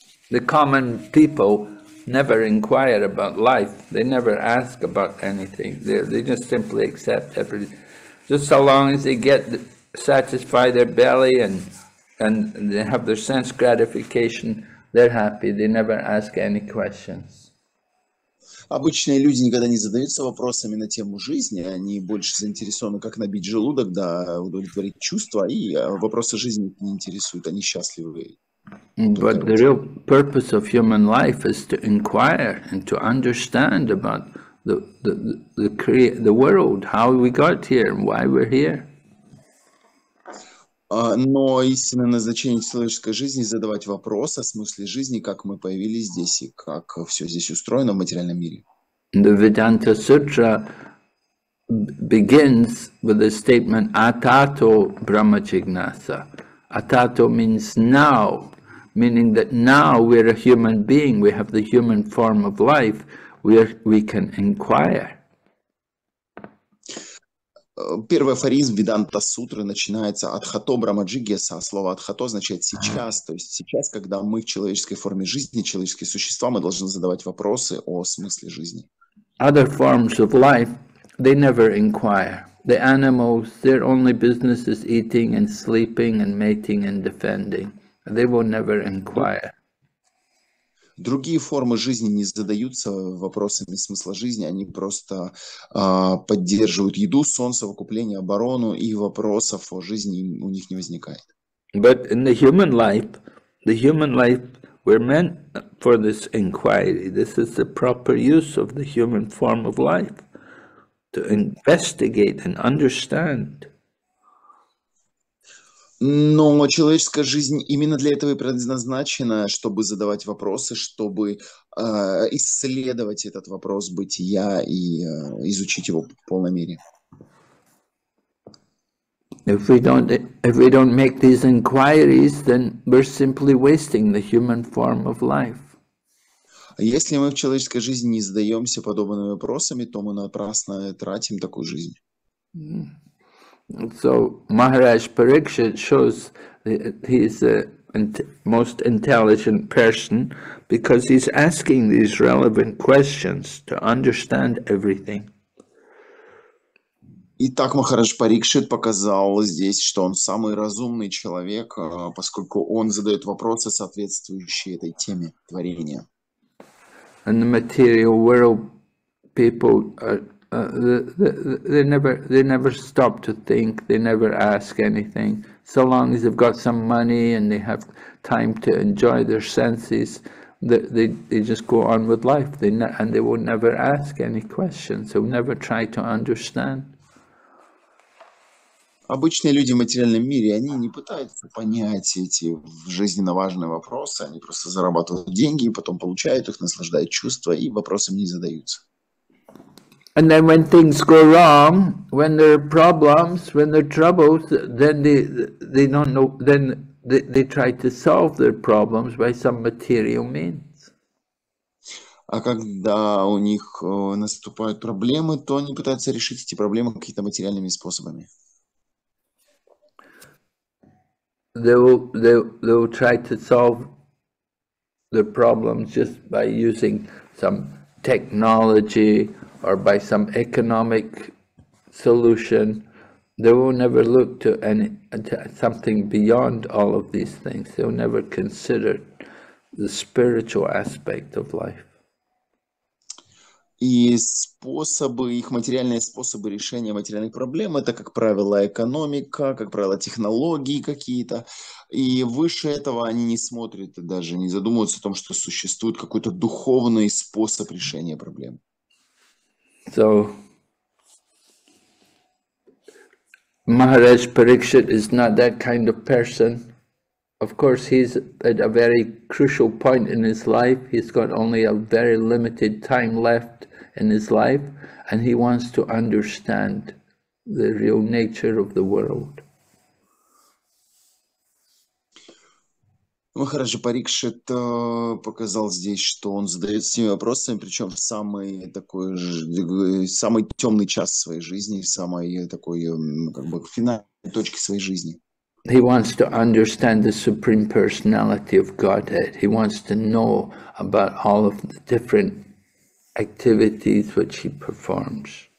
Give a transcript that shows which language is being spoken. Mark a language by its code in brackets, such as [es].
[en] The common people never inquire about life, they never ask about anything, they just simply accept everything. Just so long as they get, satisfy their belly and they have their sense gratification, they're happy, they never ask any questions. [ru] Обычные люди никогда не задаются вопросами на тему жизни, они больше заинтересованы, как набить желудок, да, удовлетворить чувства, и вопросы жизни не интересуют, они счастливы. [en] But the real purpose of human life is to inquire and to understand about the world, how we got here and why we're here. [ru] Но истинное назначение человеческой жизни – задавать вопрос о смысле жизни, как мы появились здесь и как все здесь устроено в материальном мире. [en] The Vedanta Sutra begins with the statement «Atato Brahma Jignasa». «Atato» means «now», meaning that now we're a human being, we have the human form of life, where we can inquire. [ru] Первый афоризм Веданта Сутры начинается «Адхато Брама Джигьяса», а слово «Адхато» означает «сейчас», то есть сейчас, когда мы в человеческой форме жизни, человеческие существа, мы должны задавать вопросы о смысле жизни. [en] Other forms of life, they never inquire. The animals, their only business is eating and sleeping and mating and defending. They will never inquire. [ru] Другие формы жизни не задаются вопросами смысла жизни, они просто поддерживают еду, сон, совокупление, оборону, и вопросов о жизни у них не возникает. [en] But in the human life, we're meant for this inquiry. This is the proper use of the human form of life, to investigate and understand. [ru] Но человеческая жизнь именно для этого и предназначена, чтобы задавать вопросы, чтобы исследовать этот вопрос бытия и изучить его в полной мере. [en] If we don't make these inquiries, then we're simply wasting the human form of life. [ru] Если мы в человеческой жизни не задаемся подобными вопросами, то мы напрасно тратим такую жизнь. [en] So Maharaj Parikshit shows that he's the most intelligent person because he's asking these relevant questions to understand everything. [ru] И так Махарадж Парикшит показал здесь, что он самый разумный человек, поскольку он задает вопросы, соответствующие этой теме творения. [en] In the material world, people are they never stop to think, they never ask anything. So long as they've got some money and they have time to enjoy their senses, they just go on with life. They and they will never ask any questions. They will never try to understand. [ru] Обычные люди в материальном мире, они не пытаются понять эти жизненно важные вопросы, они просто зарабатывают деньги и потом получают их, наслаждают чувства и вопросы не задаются. [en] And then when things go wrong, when there are problems, when there are troubles, then they don't know, then they try to solve their problems by some material means. [ru] А когда у них наступают проблемы, то они пытаются решить эти проблемы какими-то материальными способами. [en] They will try to solve their problems just by using some technology or by some economic solution. They will never look to any to something beyond all of these things. They will never consider the spiritual aspect of life. [ru] И способы, их материальные способы решения материальных проблем, это, как правило, экономика, как правило, технологии какие-то. И выше этого они не смотрят и даже не задумываются о том, что существует какой-то духовный способ решения проблем. [en] So, Maharaj Parikshit is not that kind of person. Of course, he's at a very crucial point in his life. He's got only a very limited time left in his life, and he wants to understand the real nature of the world. [ru] Махарадж Парикшит показал здесь, что он задает себе вопросы, причем самый темный час своей жизни, самой такой как бы финальной точки своей жизни. [en] He wants to understand the Supreme Personality of Godhead. He wants to know about all of the different activities which he performs.